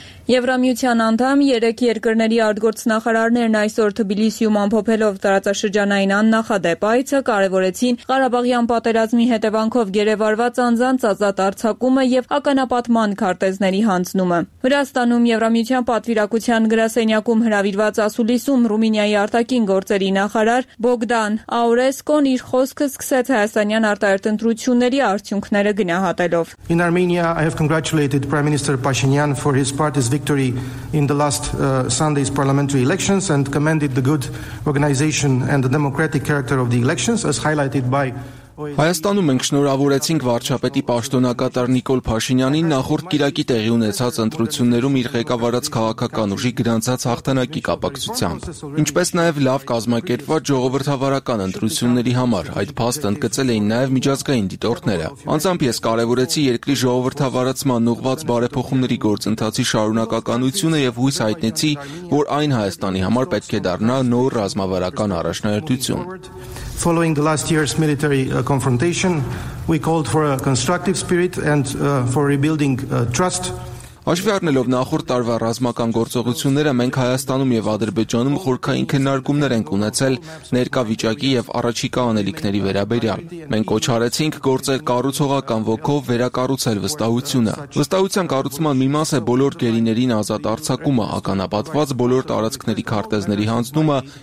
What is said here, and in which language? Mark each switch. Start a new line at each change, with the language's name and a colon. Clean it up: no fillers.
Armenian: Եվրամիության անդամ երեք երկրների արտգործնախարարներն այսօր Թբիլիսիում ամփոփելով տարածաշրջանային աննախադեպ այցը կարևորեցին Ղարաբաղյան պատերազմի հետևանքով գերեվարված անձանց ազատ արձակումը և ականապատման քարտեզների հանձնումը։ Վրաստանում Եվրամիության պատվիրակության գրասենյակում հրավիրված ասուլիսում Ռումինիայի արտաքին գործերի նախարար Բոգդան Աուրեսկոն իր խոսքը սկսեց հայաստանյան արտահերտ ընտրությունների արդյունքները գնահատելով։
English: His victory in the last Sunday's parliamentary elections and commended the good organization and the democratic character of the elections as highlighted by
Armenian: Հայաստանում ենք շնորհավորեցինք վարչապետի պաշտոնակատար Նիկոլ Փաշինյանին նախորդ կիրակի տեղի ունեցած ընտրություններում իր ղեկավարած քաղաքական ուժի գրանցած հաղթանակի կապակցությամբ, ինչպես նաև լավ կազմակերպված ժողովրդավարական ընտրությունների համար։ Այդ փաստը ընդգծել էին նաև միջազգային դիտորդները։ Անձամբ ես կարևորեցի երկրի ժողովրդավարացման ուղղված բարեփոխումների գործընթացի շարունակականությունը և հույս հայտնեցի, որ այն Հայաստանի համար պետք է դառնա նոր ռազմավարական առաջնահերթություն։
English: Following the last year's military confrontation, we called for a constructive spirit and for rebuilding trust.
Armenian: Աշվի առնելով նախորդ տարվա ռազմական գործողությունները, մենք Հայաստանում և Ադրբեջանում խորքային քննարկումներ ենք ունեցել ներկա վիճակի և առաջիկա անելիքների վերաբերյալ։ Մենք կոչարեցինք գործել կառուցողական ոգով վերակառուցել վստահությունը։ Վստահության կառուցման մի մաս է բոլոր գերիներին ազատ արձակումը, ականապատված բոլոր տարածքների քարտեզների հանձնումը,